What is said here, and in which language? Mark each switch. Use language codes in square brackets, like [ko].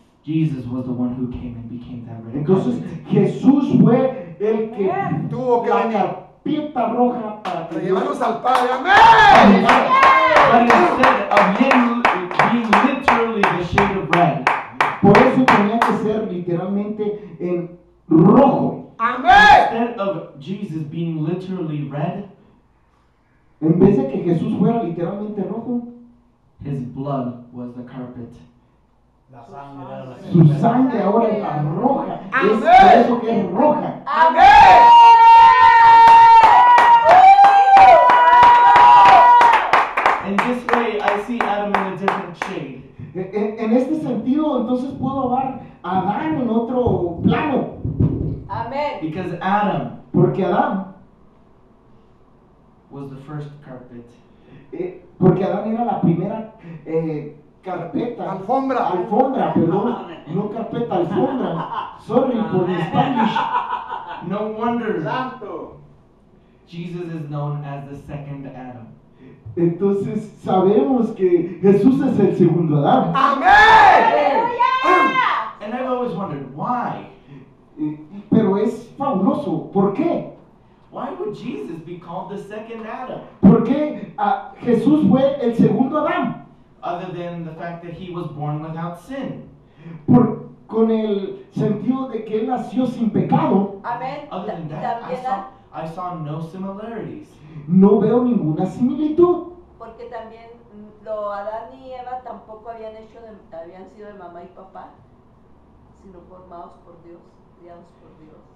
[en] Jesus was the one who came and became that red carpet. [es] Entonces Jesús fue el que tuvo que venir. La carpeta roja para llevarnos al Padre. Amén. [en] But instead of him being literally the shade of red. [es] Por eso tenía que ser literalmente en rojo. Amén. [en] Instead of Jesus being literally red, [es] en vez de que Jesús fuera literalmente rojo, [en] his blood was the carpet. [es] La sangre, su sangre ahora es la roja. Amén. Es por eso que es roja. Amén. [en] In this way, I see Adam in a different shade. [es] En este sentido, entonces puedo ver a Adán en otro plano. Amén. [en] Because Adam. [es] Porque Adán. [en] Was the first carpet. [es] Porque Adán era la primera. Carpeta. Alfombra. Alfombra, perdón. No carpeta, alfombra. [en] Sorry for the Spanish. No wonder. [es] Santo. [en] Jesus is known as the second Adam. [es] Entonces sabemos que Jesús es el segundo Adán. ¡Amén! ¡Aleluya! [en] And I've always wondered why. [es] Pero es fabuloso. ¿Por qué? [en] Why would Jesus be called the second Adam? [es] ¿Por qué Jesús fue el segundo Adán? [en] Other than the fact that he was born without sin. [es] Por con el sentido de que él nació sin pecado. [en] Amen. Other than that, I saw no similarities. [es] No veo ninguna similitud. Porque también lo Adán y Eva tampoco habían hecho de, habían sido de mamá y papá, sino formados por Dios, criados por Dios.